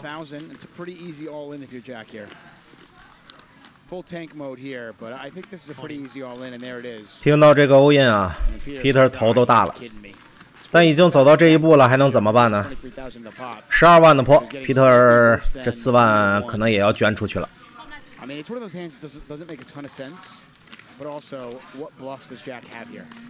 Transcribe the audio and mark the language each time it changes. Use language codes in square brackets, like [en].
[en] It's pretty easy all in if you're Jack here. Full tank mode here, but I think this is a pretty easy all in, and there it is. [zh] 听到这个 all in 啊 ，Peter 头都大了。但已经走到这一步了，还能怎么办呢？ 12万的坡 ，Peter 这4万可能也要捐出去了。 [en] I mean, it's one of those hands that doesn't make a ton of sense, but also, what bluffs does Jack have here?